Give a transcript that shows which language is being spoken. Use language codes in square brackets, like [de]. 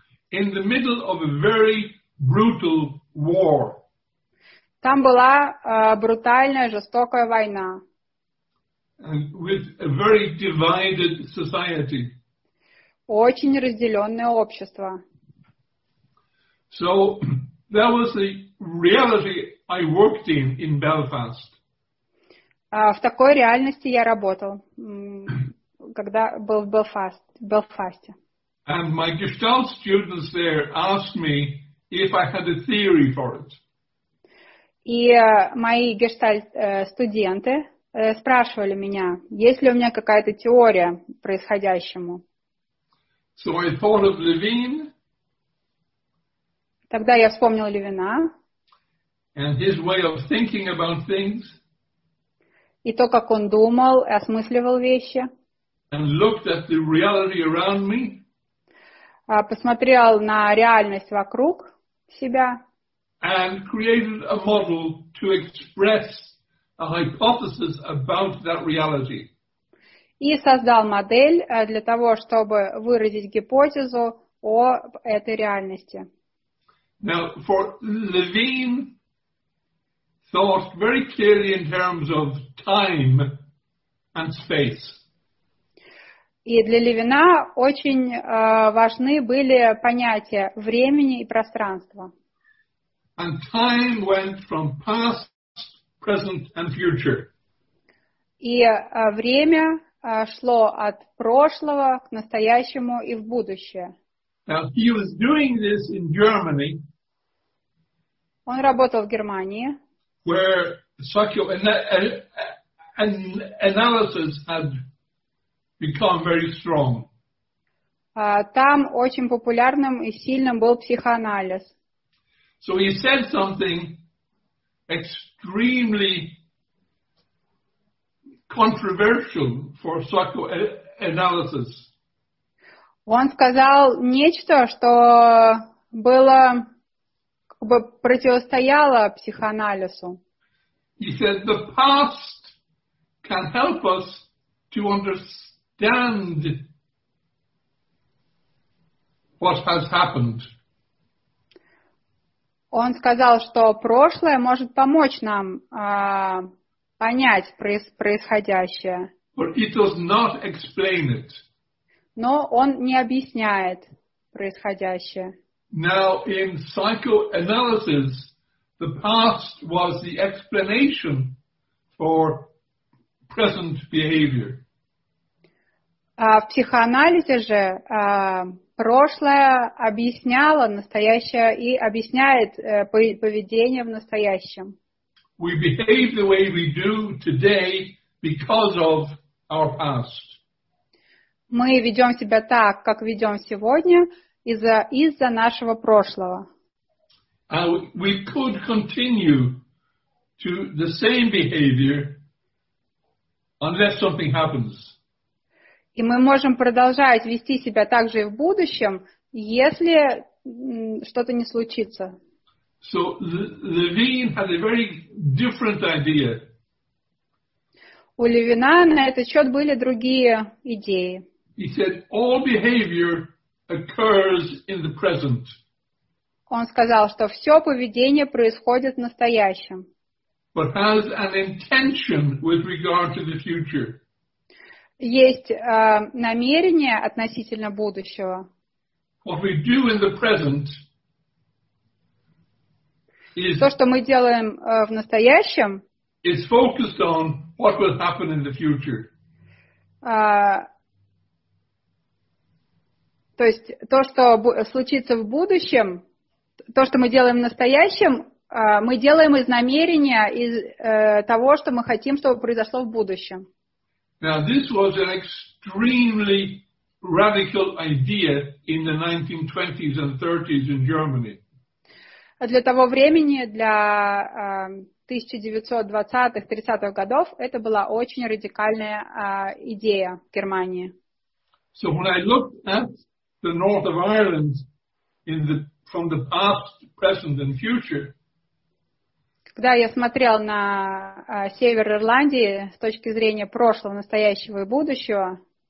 [en] In the middle of a very brutal war. [ru] Там была брутальная, жестокая война. [en] And with a very divided society. [ru] Очень разделенное общество. [en] So that was the reality I worked in Belfast. [ru] В такой реальности я работал, когда был в Белфасте. [en] And my Gestalt students there asked me if I had a theory for it. [ru] И мои Gestalt-студенты спрашивали меня, есть ли у меня какая-то теория происходящему. [en] So I thought of Levine. [ru] Тогда я вспомнил Левина. [en] And his way of thinking about things. [ru] И то, как он думал, осмысливал вещи. [en] And looked at the reality around me. [ru] Посмотрел на реальность вокруг себя. [en] And created a model to express a hypothesis about that reality. [ru] И создал модель для того, чтобы выразить гипотезу о этой реальности. [en] Now, for Levine thought very clearly in terms of time and space. [ru] И для Левина очень важны были понятия времени и пространства. [en] And time went from past, present and future. [ru] И время шло от прошлого к настоящему и в будущее. [en] Now, he was doing this in Germany. [ru] Он работал в Германии. [en] Where psychoanalysis had become very strong. [ru] Там очень популярным и сильным был психоанализ. [en] So he said something extremely controversial for psychoanalysis. [ru] Он сказал нечто, что было как бы противостояло психоанализу. [en] He said the past can help us to understand what has happened. [ru] Он сказал, что прошлое может помочь нам понять происходящее. [en] But it does not explain it. [ru] Но он не объясняет происходящее. [en] Now, in psychoanalysis, the past was the explanation for present behavior. [ru] В психоанализе же прошлое объясняло настоящее и объясняет поведение в настоящем. [en] We behave the way we do today because of our past. [ru] Мы ведем себя так, как ведем сегодня, из-за нашего прошлого. [en] And we could continue to the same behavior unless something happens. [ru] И мы можем продолжать вести себя так же и в будущем, если что-то не случится. [en] So Levine had a very different idea. [ru] У Левина на этот счет были другие идеи. [en] He said all behavior occurs in the present. [ru] Он сказал, что все поведение происходит в настоящем. [en] But has an intention with regard to the future. [ru] Есть намерение относительно будущего. [en] What we do in the present is, [ru] то, что мы делаем в настоящем, [en] is focused on what will happen in the future. [ru] То есть то, что случится в будущем, то, что мы делаем в настоящем, мы делаем из намерения, из того, что мы хотим, чтобы произошло в будущем. [en] Now, this was an extremely radical idea in the 1920s and 30s in Germany. [ru] Для того времени, для 1920-30-х годов, это была очень радикальная идея в Германии. [en] So when I look at the north of Ireland in the, from the past, present and future, [ru] когда я смотрел на север Ирландии с точки зрения прошлого, настоящего и будущего,